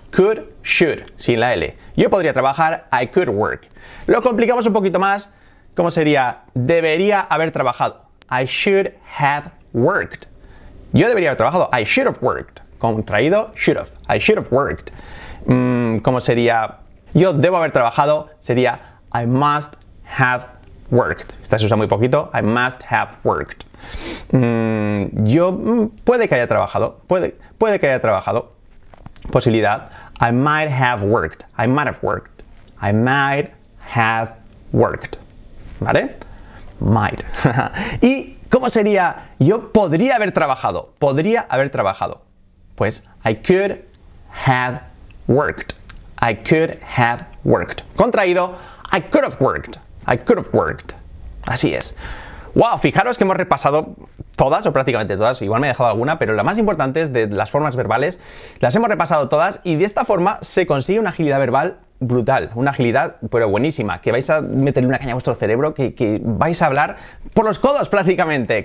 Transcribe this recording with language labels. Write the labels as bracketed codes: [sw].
[en] Could, should, [es] sin la L. Yo podría trabajar, [en] I could work. [es] Lo complicamos un poquito más. ¿Cómo sería debería haber trabajado? [en] I should have worked. [es] Yo debería haber trabajado, [en] I should have worked. Contraído, should have. I should have worked. [es] ¿Cómo sería? Yo debo haber trabajado. [en] Sería I must have worked. [es] Esta se usa muy poquito. [en] I must have worked. [es] Yo puede que haya trabajado. Puede que haya trabajado. [en] Posibilidad. I might have worked. I might have worked. I might have worked. [es] ¿Vale? [en] Might. [es] ¿Y cómo sería? Yo podría haber trabajado. Podría haber trabajado. [en] Pues, I could have worked. I could have worked. Contraído, I could have worked. I could have worked. [es] Así es. Wow, fijaros que hemos repasado todas, o prácticamente todas. Igual me he dejado alguna, pero la más importante es de las formas verbales. Las hemos repasado todas y de esta forma se consigue una agilidad verbal brutal, una agilidad, pero buenísima, que vais a meterle una caña a vuestro cerebro, que vais a hablar por los codos prácticamente.